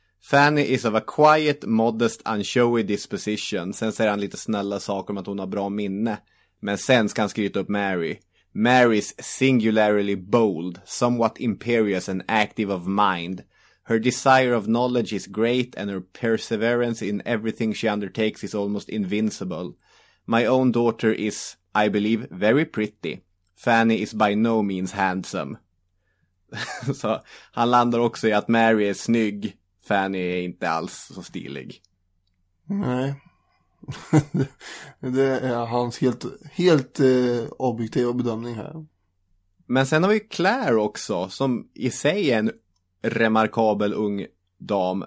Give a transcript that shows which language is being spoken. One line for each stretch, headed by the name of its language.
English: Fanny is of a quiet, modest and showy disposition.
Swedish: Sen säger han lite snälla saker om att hon har bra minne, men sen ska han skryta upp Mary.
English: Mary's singularly bold, somewhat imperious and active of mind. Her desire of knowledge is great and her perseverance in everything she undertakes is almost invincible. My own daughter is, I believe, very pretty. Fanny is by no means handsome.
Swedish: Så han landar också i att Mary är snygg, Fanny är inte alls så stilig. Nej. Det är hans helt objektiva bedömning här. Men sen har vi Claire också, som i sig är en remarkabel ung dam.